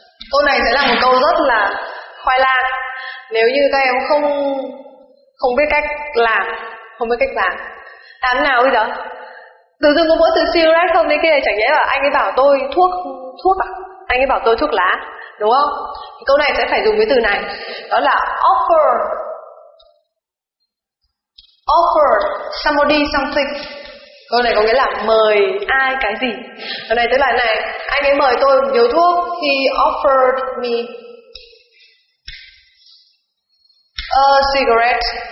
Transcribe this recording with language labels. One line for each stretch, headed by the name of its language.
Vietnamese: Câu này sẽ là một câu rất là khoai lang. Nếu như các em không biết cách làm, không biết cách làm. Làm nào bây giờ? Tự dưng có mỗi từ cigarette không đấy kia, chẳng nhẽ là anh ấy bảo tôi thuốc à? Anh ấy bảo tôi thuốc lá, đúng không? Câu này sẽ phải dùng cái từ này, đó là offer.
English: Offer somebody something.
Vietnamese: Câu này có nghĩa là mời ai cái gì. Câu này tức là này, anh ấy mời tôi nhiều thuốc.
English: He offered me a cigarette.